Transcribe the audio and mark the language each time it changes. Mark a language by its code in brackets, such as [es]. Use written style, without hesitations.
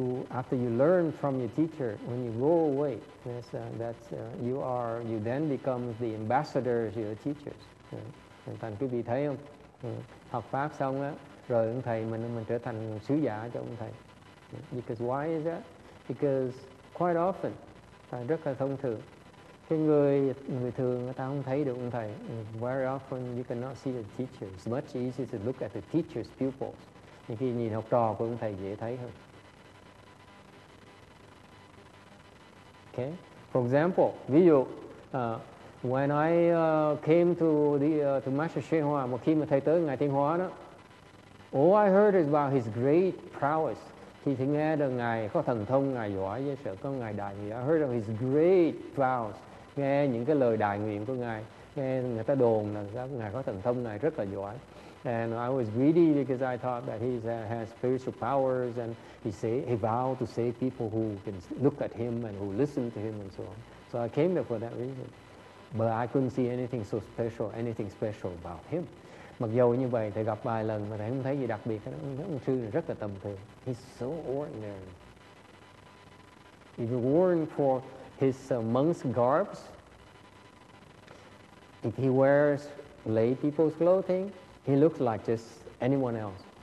[en] After you learn from your teacher, when you go away, you then become the ambassadors of your teachers. [vi] Thành quý vị thấy không? Học pháp xong á, rồi ông thầy mình trở thành sứ giả cho ông thầy. [en] Because why is that? Because quite often, [vi] rất là thông thường. Cái người thường người ta không thấy được ông thầy. [en] Very often you cannot see the teacher. It's much easier to look at the teacher's pupils. [vi] Nhưng khi nhìn học trò của ông thầy dễ thấy hơn. [en] Okay. For example, [vi] ví dụ, [en] when I came to Master Xuyên Hoa, [vi] một khi mà thầy tới ngài Thiên Hóa đó, [en] all I heard is about his great prowess. [vi] Khi thầy nghe được ngài có thần thông, ngài giỏi, dễ sợ, có ngài đại, thì [en] I heard of his great prowess. [vi] Nghe những cái lời đại nguyện của ngài, nghe người ta đồn là ngài có thần thông, ngài rất là giỏi. [en] And I was greedy because I thought that he has spiritual powers, and he vowed to save people who can look at him and who listen to him and so on. So I came there for that reason. But I couldn't see anything special about him. [vi] Mặc dù như vậy, thầy gặp vài lần mà thầy không thấy gì đặc biệt. Ông sư này rất là tầm thường. [en] He's so ordinary. If you worn for his monk's garbs, if he wears lay people's clothing, he looks like just anyone else.